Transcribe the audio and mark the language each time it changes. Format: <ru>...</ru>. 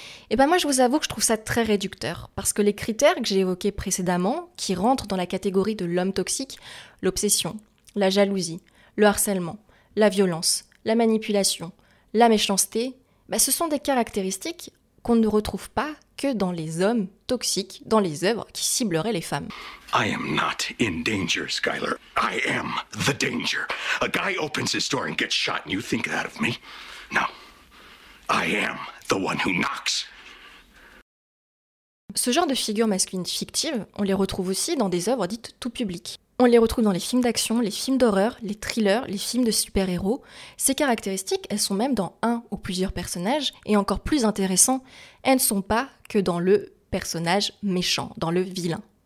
<fr>Et ben moi je vous avoue que je trouve ça très réducteur, parce que les critères que j'ai évoqués précédemment, qui rentrent dans la catégorie de l'homme toxique, l'obsession, la jalousie, le harcèlement, la violence, la manipulation, la méchanceté, ben ce sont des caractéristiques qu'on ne retrouve pas que dans les hommes toxiques, dans les œuvres qui cibleraient les femmes.</fr> <en>I am not in danger, Skyler. I am the danger. A guy opens his door and gets shot and you think that of me? No. I am the one who knocks.</en> <fr>Ce genre de figures masculines fictives, on les retrouve aussi dans des œuvres dites tout public. On les retrouve dans les films d'action, les films d'horreur, les thrillers, les films de super-héros. Ces caractéristiques, elles sont même dans un ou plusieurs personnages, et encore plus intéressant, elles ne sont pas que dans le personnage méchant, dans le vilain.</fr>